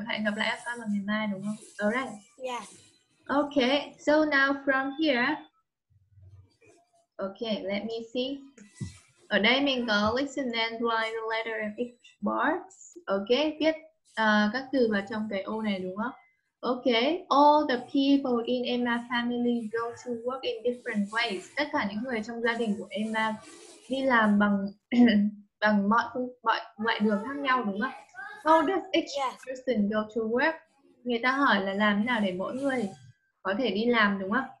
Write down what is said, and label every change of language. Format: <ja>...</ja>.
<vi>Hẹn gặp lại các con vào ngày mai đúng không?</vi> <en>Alright. Yeah. Okay. So now from here. Okay. Let me see.</en> <vi>Ở đây mình có</vi> <en>listen and write the letter in each box.</en> <vi>Okay. Viết các từ vào trong cái ô này đúng không?</vi> <en>Okay, all the people in Emma's family go to work in different ways.</en> <vi>Tất cả những người trong gia đình của Emma đi làm bằng bằng mọi loại đường khác nhau đúng không?</vi> <en>How does each person go to work?</en> <vi>Người ta hỏi là làm thế nào để mỗi người có thể đi làm đúng không?</vi>